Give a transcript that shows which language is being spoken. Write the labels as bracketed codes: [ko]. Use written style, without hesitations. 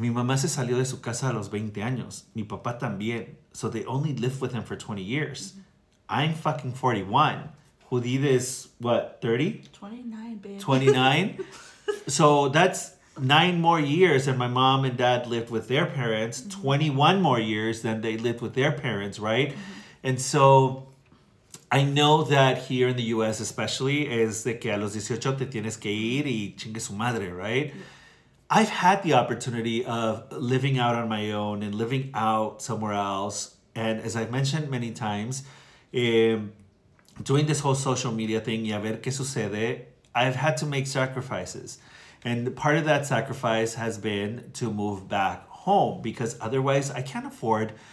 [es] Mi mamá se salió de su casa a los 20 años. Mi papá también. [en] So they only lived with him for 20 years. Mm-hmm. I'm fucking 41. Judith is, what, 30? 29, babe. 29? So that's 9 more years and my mom and dad lived with their parents, mm-hmm. 21 more years than they lived with their parents, right? Mm-hmm. And so I know that here in the U.S. especially, [es] es de que a los 18 te tienes que ir y chingue su madre, [en] right? Mm-hmm. I've had the opportunity of living out on my own and living out somewhere else. And as I've mentioned many times, doing this whole social media thing, [es] y a ver qué sucede, [en] I've had to make sacrifices. And part of that sacrifice has been to move back home, because otherwise I can't afford